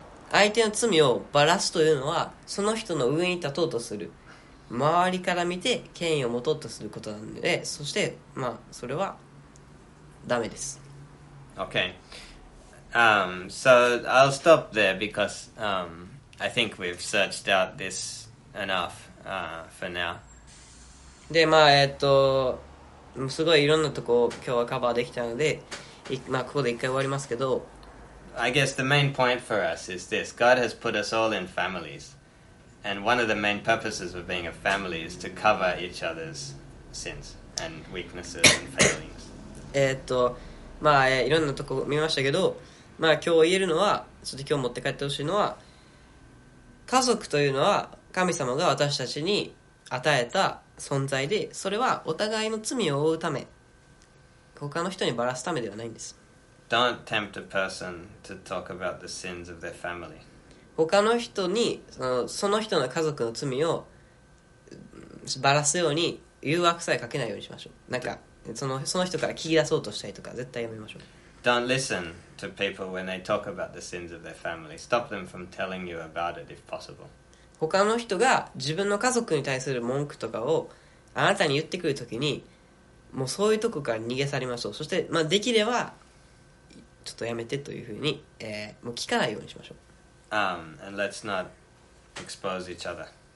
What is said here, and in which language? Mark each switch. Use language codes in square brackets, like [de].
[ja] 相手の罪をばらすというのは、その人の上に立とうとする、周りから見て権威を持とうとすることなので、そして、まあ、それはダメです。 [en] Okay. So I'll stop there because I think we've searched out this enough. For now. [ja] で、まあ、すごいいろんなとこを今日はカバーできたので、まあ、ここで一回終わりますけど。 [en] I guess the main point for us is this. God has put us all in families. And one of the main purposes of being a family is to cover each other's sins and weaknesses and failings. [ja] まあ、いろんなとこ見ましたけど、まあ、今日言えるのは、そして今日持って帰ってほしいのは、家族というのは、神様が私たちに与えた存在で、それはお互いの罪を負うため、他の人にばらすためではないんです。 [en] Don't tempt a person to talk about the sins of their family. [ja] 他の人にその人の家族の罪をばらすように誘惑さえかけないようにしましょう。なんかその人から聞き出そうとしたりとか絶対やめましょう。 [en] Don't listen to people when they talk about the sins of their family. Stop them from telling you about it if possible. [ja] 他の人が自分の家族に対する文句とかをあなたに言ってくるときに、もうそういうとこから逃げ去りましょう。そして、まあ、できればちょっとやめてというふうに、もう聞かないようにしましょう。 [en] And let's not expose each other。